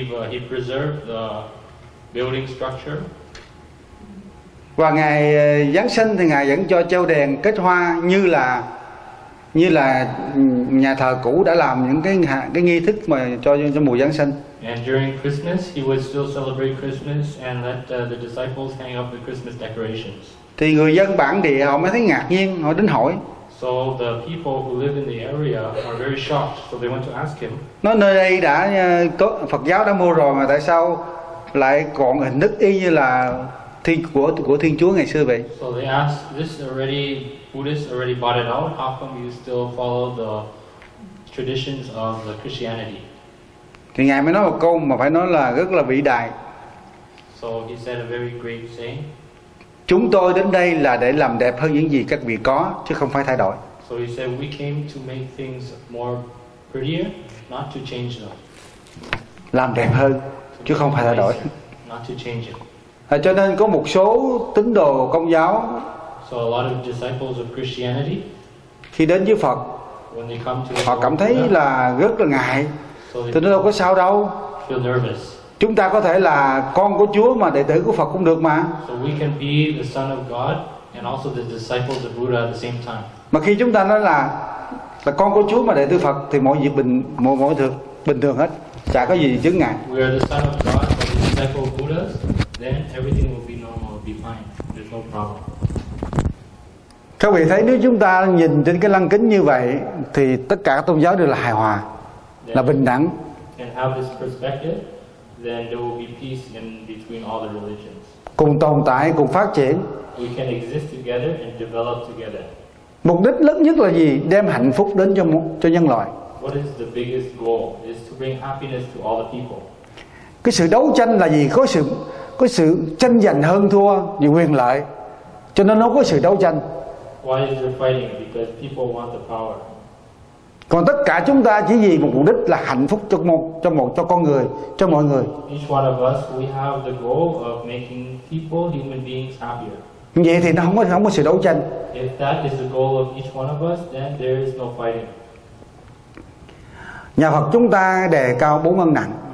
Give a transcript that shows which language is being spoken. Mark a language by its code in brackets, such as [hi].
[en] He preserved the building structure. [vi] Và ngày Giáng sinh thì ngài vẫn cho treo đèn kết hoa như là nhà thờ cũ đã làm những cái nghi thức mà cho mùa Giáng sinh. [en] And during Christmas he would still celebrate Christmas and let the disciples hang up the Christmas decorations. [vi] Thì người dân bản địa họ mới thấy ngạc nhiên, họ đến hỏi. [en] So the people who live in the area are very shocked, so they went to ask him. [vi] Nói nơi đây đã có Phật giáo đã mua rồi mà tại sao lại còn hình thức y như là của Thiên Chúa ngày xưa vậy? [en] So they asked, this already Buddhists already bought it out. How come you still follow the traditions of the Christianity? [vi] Thì ngài mới nói một câu mà phải nói là rất là vĩ đại. [en] So he said a very great saying. [vi] Chúng tôi đến đây là để làm đẹp hơn những gì các vị có, chứ không phải thay đổi. [en] So he said, we came to make things more prettier, not to change them. [vi] Làm đẹp hơn, chứ không phải thay đổi. [en] Not to change it. [vi] À, cho nên có một số tín đồ công giáo, [en] so a lot of disciples of Christianity, [vi] khi đến với Phật, [en] when they come to, [vi] họ cảm thấy là rất là ngại. [en] So [vi] thì nó đâu có sao đâu. [en] Feel nervous. [vi] Chúng ta có thể là con của Chúa mà đệ tử của Phật cũng được mà. [en] So we can be the son of God and also the disciples of Buddha at the same time. [vi] Mà khi chúng ta nói là con của Chúa mà đệ tử Phật thì mọi việc bình thường hết, chả có gì chướng ngại. [en] We are the son of God and the disciple of Buddha, then everything will be normal, will be fine. There's no problem. [vi] Các vị thấy nếu chúng ta nhìn trên cái lăng kính như vậy thì tất cả tôn giáo đều là hài hòa, [en] then, [vi] là bình đẳng. [en] Then there will be peace in between all the religions. [vi] Cùng tồn tại, cùng phát triển. [en] We can exist together and develop together. [vi] Mục đích lớn nhất là gì? Đem hạnh phúc đến cho nhân loại. [en] What is the biggest goal? Is to bring happiness to all the people. [vi] Cái sự đấu tranh là gì? Có sự tranh giành hơn thua vì quyền lợi. Cho nên nó có sự đấu tranh. [en] Why is there fighting? Because people want the power. [vi] Còn tất cả chúng ta chỉ vì một mục đích là hạnh phúc cho con người, cho mọi người. [en] Each one of us, we have the goal of making people, human beings happier. [vi] Vậy thì nó không có sự đấu tranh. [en] If that is the goal of each one of us, then there is no fighting. [vi] Nhà Phật chúng ta đề cao bốn ân nặng.